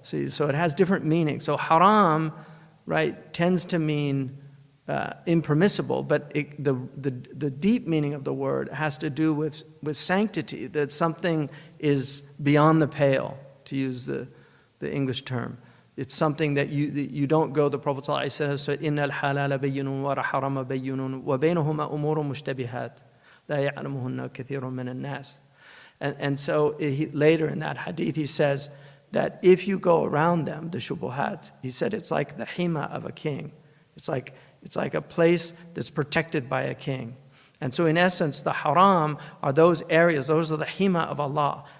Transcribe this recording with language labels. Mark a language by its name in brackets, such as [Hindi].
[English] See, so it has different meanings. So haram, right, tends to mean impermissible, but the deep meaning of the word has to do with sanctity, that something is beyond the pale, to use the English term. It's something that you don't go, the Prophet says, [Arabic] إِنَّ الْحَلَالَ بَيُّنٌ وَرَحَرَمَ بَيُّنٌ وَبَيْنُهُمَا أُمُورٌ مُشْتَبِهَاتٌ لَا يَعْلَمُهُنَّ كَثِيرٌ مِنَ النَّاسِ. [English] And so later in that hadith, he says that if you go around them, the shubuhat, he said it's like the hima of a king. It's like a place that's protected by a king. And so in essence, the haram are those areas, those are the hima of Allah.